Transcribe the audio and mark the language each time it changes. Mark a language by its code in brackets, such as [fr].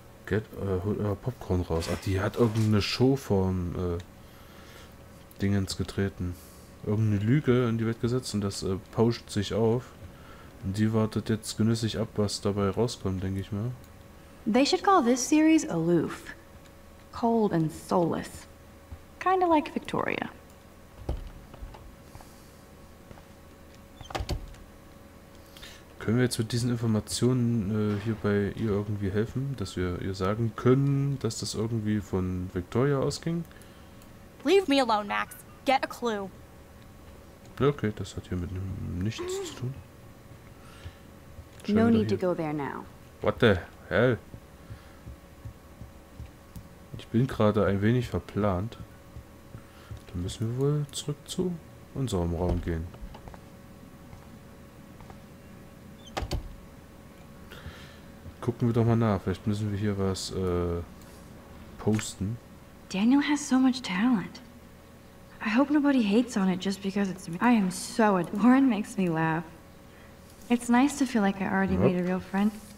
[de] Holt euer Popcorn raus. Ach, die hat irgendeine Show von Dingens getreten. Irgendeine Lüge in die Welt gesetzt und das pauscht sich auf. Und die wartet jetzt genüsslich ab, was dabei rauskommt, denke ich mal. [en] They should call this series aloof. Cold and soulless. Kinda like Victoria. [de] Können wir jetzt mit diesen Informationen hier bei ihr irgendwie helfen, dass wir ihr sagen können, dass das irgendwie von Victoria ausging? [en] Leave me alone, Max. Get a clue. [de] Okay, das hat hier mit nichts zu tun. [en] No need to go there now. What the hell? [de] Ich bin gerade ein wenig verplant. Dann müssen wir wohl zurück zu unserem Raum gehen. Gucken wir doch mal nach. Vielleicht müssen wir hier was posten. [en] Daniel has so much talent. I hope nobody hates on it just because it's me. I am so adorable. Warren makes me laugh. It's nice to feel like I already made a real friend.